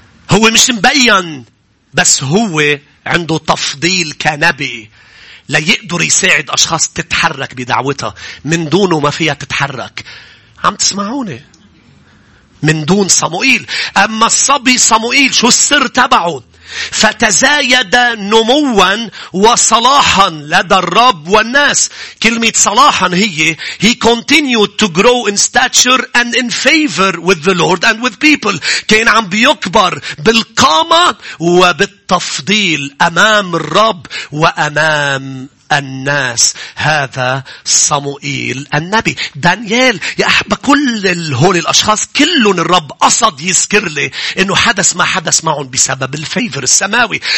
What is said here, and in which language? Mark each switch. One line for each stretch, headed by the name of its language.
Arabic: هو مش مبين بس هو عنده تفضيل كنبي ليقدر يساعد أشخاص تتحرك بدعوتها. من دونه ما فيها تتحرك. عم تسمعوني؟ من دون صموئيل. أما الصبي صموئيل شو السر تبعه؟ فتزايد نموا وصلاحا لدى الرب والناس. كلمة صلاحا هي
English: he continued to grow in stature and in favor with the Lord and with people.
Arabic: كان عم بيكبر بالقامة وبالتفضيل أمام الرب وأمام الناس. هذا صموئيل النبي. دانيال يا أحبة كل هول الأشخاص كلهم الرب قصد يذكر لي أنه حدث ما حدث معهم بسبب الفيفر السماوي.